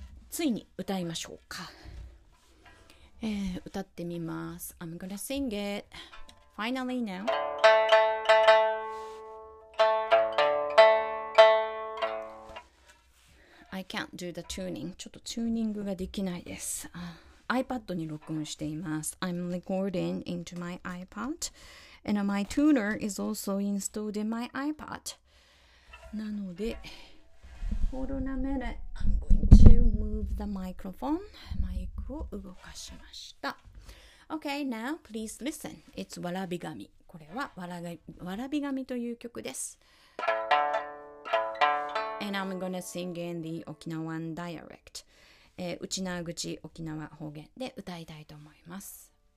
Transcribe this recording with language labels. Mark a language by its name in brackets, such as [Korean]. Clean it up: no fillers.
[Japanese] ついに歌いましょうか、歌ってみます。 [English] I'm gonna sing it. Finally now. I can't do the tuning. [Japanese] ちょっとチューニングができないです。 iPad に録音しています。 [English] I'm recording into my iPad And my tuner is also installed in my iPad. [Japanese] なので、 [English] Hold on a minute. I'm going to move the microphone. [Japanese] マイクを動かしました。 [English] Okay, now please listen. It's わらびがみ。 [Japanese] これはわらびがみという曲です。 [English] And I'm gonna sing in the Okinawan dialect. [Japanese] 内縄口沖縄方言で歌いたいと思います。